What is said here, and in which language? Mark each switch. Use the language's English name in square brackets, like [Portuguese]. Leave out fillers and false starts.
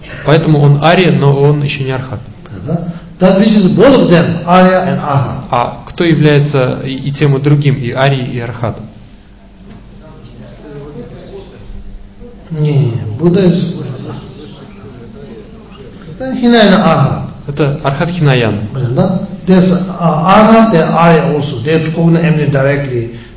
[Russian] Поэтому он Ария, но он еще не Архат. [English] That which is both of them, Arya and Arhat. [Russian] А кто является и тем и другим, и Арией, и Архатом? Не, Будда из. Хинаяна Архат. Это Архат Хинаян. [English] There's Arhat and Arya also. They are cognizant directly.